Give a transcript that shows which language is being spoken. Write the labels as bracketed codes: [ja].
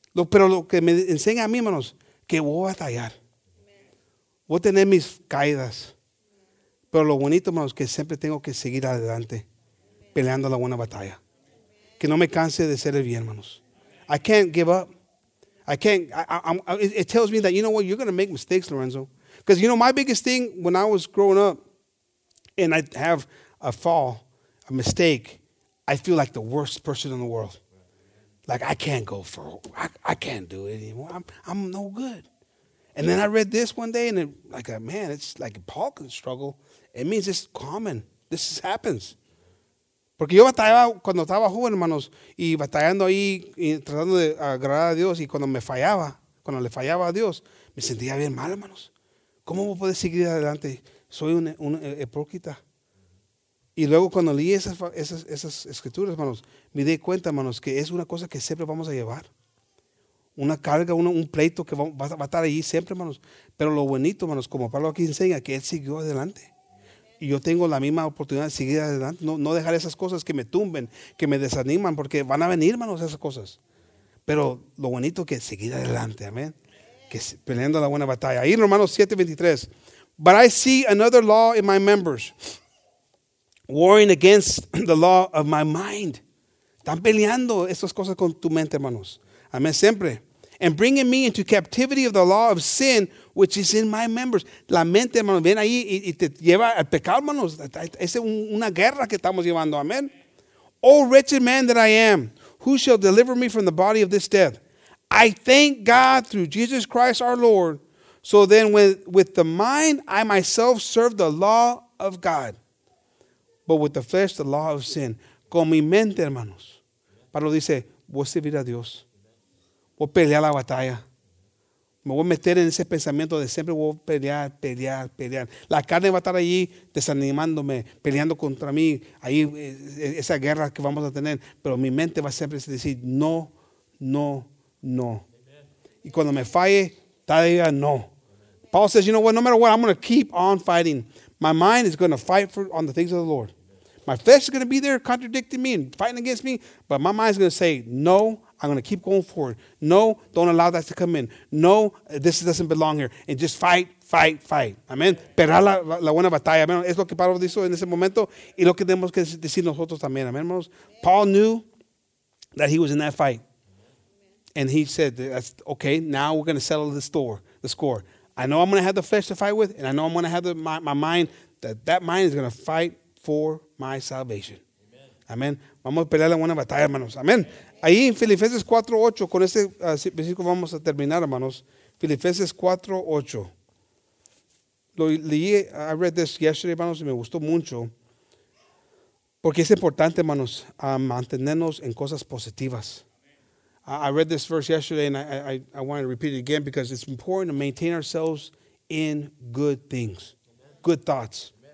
[es] Pero lo que me enseña a mí, hermanos, que voy a batallar. Voy a tener mis caídas. Pero lo bonito, hermanos, que siempre tengo que seguir adelante peleando la buena batalla. Que no me canse de ser el bien, hermanos. [en] I can't give up. I can't, it tells me that, you know what, you're going to make mistakes, Lorenzo. Because, you know, my biggest thing when I was growing up and I have a fall, a mistake, I feel like the worst person in the world. Like, I can't do it anymore. I'm no good. And then I read this one day and it, like, man, it's like Paul can struggle. It means it's common. This happens. [es] Porque yo batallaba cuando estaba joven, hermanos, y batallando ahí, y tratando de agradar a Dios, y cuando le fallaba a Dios, me sentía bien mal, hermanos. ¿Cómo voy a poder seguir adelante? Soy un hipócrita. Y luego cuando leí esas escrituras, hermanos, me di cuenta, hermanos, que es una cosa que siempre vamos a llevar. Una carga, un pleito que va a estar allí siempre, hermanos. Pero lo bonito, hermanos, como Pablo aquí enseña, que él siguió adelante. Y yo tengo la misma oportunidad de seguir adelante. No dejar esas cosas que me tumben, que me desaniman, porque van a venir, hermanos, esas cosas. Pero lo bonito que es seguir adelante, amén. Que peleando la buena batalla. Ahí en Romanos 7:23. [en] But I see another law in my members, warring against the law of my mind. [es] Están peleando esas cosas con tu mente, hermanos. Amén, siempre. [en] And bringing me into captivity of the law of sin, which is in my members. [es] La mente, hermanos, viene ahí y te lleva al pecado, hermanos. Es una guerra que estamos llevando, amén. [en] Oh, wretched man that I am, who shall deliver me from the body of this death? I thank God through Jesus Christ our Lord. So then with the mind, I myself serve the law of God. But with the flesh, the law of sin. [es] Con mi mente, hermanos. Pablo dice, voy a servir a Dios. Voy a pelear la batalla. Me voy a meter en ese pensamiento de siempre voy a pelear. La carne va a estar allí desanimándome, peleando contra mí. Ahí esa guerra que vamos a tener. Pero mi mente va siempre a decir no, no, no. Amen. Y cuando me falle, todavía no. Amen. [en] Paul says, you know what, no matter what, I'm going to keep on fighting. My mind is going to fight on the things of the Lord. My flesh is going to be there contradicting me and fighting against me. But my mind is going to say no. I'm going to keep going forward. No, don't allow that to come in. No, this doesn't belong here. And just fight. Amen. [es] Pero la buena batalla. [en] Amen. [es] Es lo que Pablo dijo en ese momento. Y lo que tenemos que decir nosotros también. Amen, hermanos. [en] Paul knew that he was in that fight. And he said, okay, now we're going to settle the score. I know I'm going to have the flesh to fight with. And I know I'm going to have my mind. That mind is going to fight for my salvation. [es] Amen. Vamos a pelear la buena batalla, hermanos. Amen. Ahí en Filipenses 4:8, con este versículo vamos a terminar, hermanos. Filipenses 4:8. [en] I read this yesterday, [es] hermanos, y me gustó mucho. Porque es importante, hermanos, mantenernos en cosas positivas. [en] I read this verse yesterday, and I want to repeat it again because it's important to maintain ourselves in good things, good thoughts.